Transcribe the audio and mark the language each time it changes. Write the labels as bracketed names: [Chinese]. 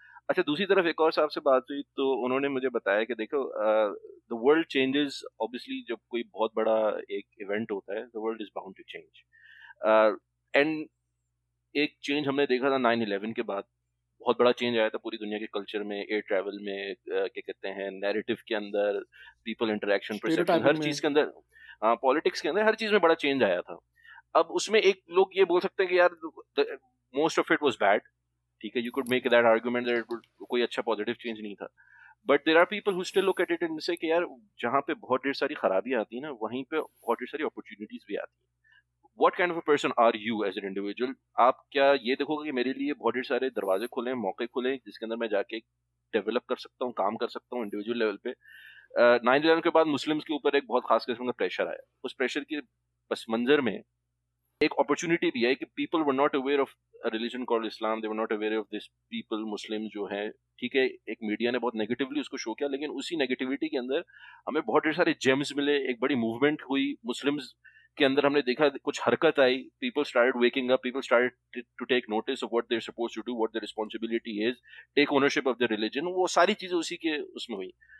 [Urdu] اچھا دوسری طرف ایک اور صاحب سے بات ہوئی تو انہوں نے مجھے بتایا کہ دیکھو [English] the world changes obviously, [Urdu] جب کوئی بہت بڑا ایک ایونٹ ہوتا ہے [English] the world is bound to change, [Urdu] and ایک چینج ہم نے دیکھا تھا 9/11 کے بعد, بہت بڑا چینج آیا تھا پوری دنیا کے کلچر میں, ایئر ٹریول میں, کیا کہتے ہیں نیریٹو کے اندر, پیپل انٹریکشن, پرسپشن, ہر چیز کے اندر, ہاں پالیٹکس کے اندر, ہر چیز میں بڑا چینج آیا تھا. اب اس میں ایک لوگ یہ بول سکتے ہیں کہ یار [English] most of it was bad, [Urdu] ٹھیک ہے [English] you could make that argument that [Urdu] کوئی اچھا پازیٹیو چینج نہیں تھا, [English] but there are people who still look at it and say [Urdu] کہ یار جہاں پہ بہت ڈھیر ساری خرابیاں آتی ہیں نا وہیں پہ بہت ڈھیر ساری اپرچونیٹیز بھی آتی ہیں. [English] What kind of a person are you as an individual? [Urdu] آپ کیا یہ دیکھو گے کہ میرے لیے بہت ڈھیر سارے دروازے کھلے ہیں, موقع کھلے ہیں جس کے اندر میں جا کے ڈیولپ کر سکتا ہوں, کام کر سکتا ہوں انڈیویجول لیول پہ. 9/11 کے بعد مسلمس کے اوپر ایک بہت خاص قسم کا پریشر آیا, اس پریشر کے پس منظر میں ایک اپرچونیٹی بھی ہے کہ [English] people were not aware of religion called Islam, they were not aware of this people Muslim [Urdu] جو ہیں, ٹھیک ہے ایک میڈیا نے بہت نیگیٹولی اس کو شو کیا, لیکن اسی نیگیٹیوٹی کے اندر ہمیں بہت ڈھیر سارے جیمز ملے, ایک بڑی موومنٹ ہوئی مسلمز کے اندر, ہم نے دیکھا کچھ حرکت آئی, [English] people started waking up, people started to take notice of what they are suppose to do, what the responsibility is, take ownership of the religion, [Urdu] وہ ساری چیزیں اسی کے اس میں ہوئی.